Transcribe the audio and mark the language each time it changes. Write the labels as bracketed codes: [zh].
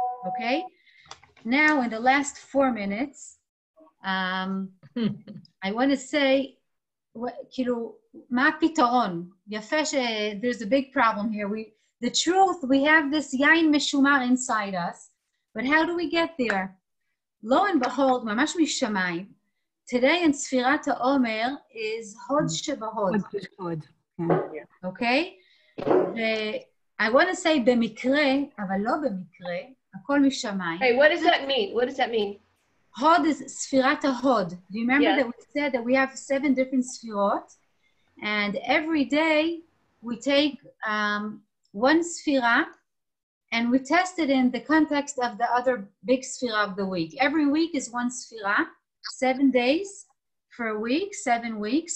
[en] Okay? Now, in the last 4 minutes, I want to say, [he] כאילו, מה הפתרון? יפה ש... [en] there's a big problem here. The truth, we have this yain משומר inside us, but how do we get there? Lo and behold, ממש משמיים, today in ספירת העומר is הוד שבהוד. הוד. Okay? I want to say [he] במקרה, אבל לא במקרה, הכל משמיים. [en] Hey, what does that mean? What does that mean? Hod is Sfirat HaHod. Do you remember yes. that we said that we have 7 different Sfirot? And every day we take one Sfira and we test it in the context of the other big Sfira of the week. Every week is one Sfira, 7 days for a week, 7 weeks.